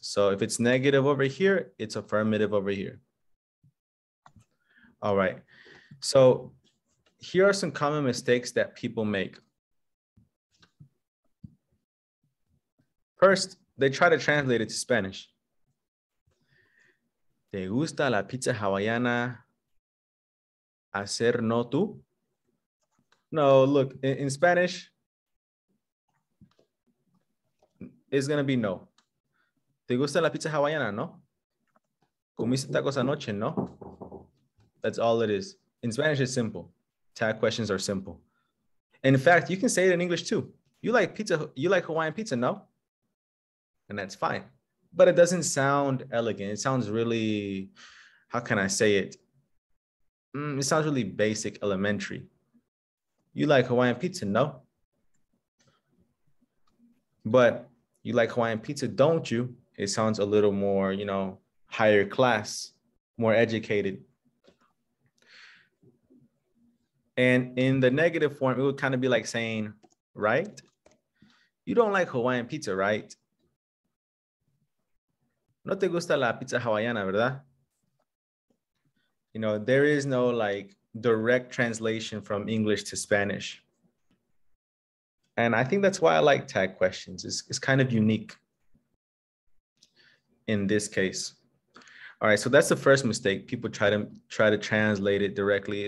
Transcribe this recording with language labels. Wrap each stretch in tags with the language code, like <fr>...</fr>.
<en>So if it's negative over here, it's affirmative over here. All right. So here are some common mistakes that people make. First, they try to translate it to Spanish.</en> <es>¿Te gusta la pizza hawaiana? ¿Hacer no tú?</es> <en>No, look, in Spanish, it's going to be no.</en> <es>¿Te gusta la pizza hawaiana, no? ¿Comiste tacos anoche, no?</es> <en>That's all it is. In Spanish, it's simple. Tag questions are simple. In fact, you can say it in English too. You like pizza, you like Hawaiian pizza, no? And that's fine. But it doesn't sound elegant. It sounds really, how can I say it? It sounds really basic, elementary. You like Hawaiian pizza, no? But you like Hawaiian pizza, don't you? It sounds a little more, you know, higher class, more educated. And in the negative form, it would kind of be like saying, right? You don't like Hawaiian pizza, right?</en> <es>No te gusta la pizza hawaiana, ¿verdad?</es> <en>You know, there is no like direct translation from English to Spanish. And I think that's why I like tag questions. It's kind of unique in this case. All right, so that's the first mistake. People try to translate it directly.</en>